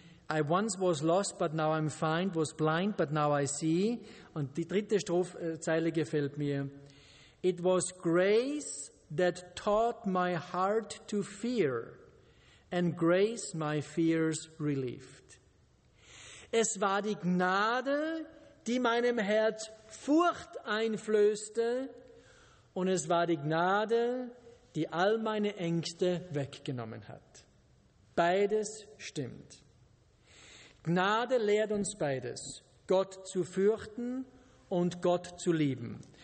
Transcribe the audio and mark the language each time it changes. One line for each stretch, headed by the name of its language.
English: I once was lost, but now I'm found, was blind, but now I see.
German: Und die dritte Strophzeile gefällt mir.
English: It was grace that taught my heart to fear, and grace my fears relieved.
German: Es war die Gnade, die meinem Herz Furcht einflößte, und es war die Gnade, die all meine Ängste weggenommen hat. Beides stimmt. Gnade lehrt uns beides, Gott zu fürchten und Gott zu lieben.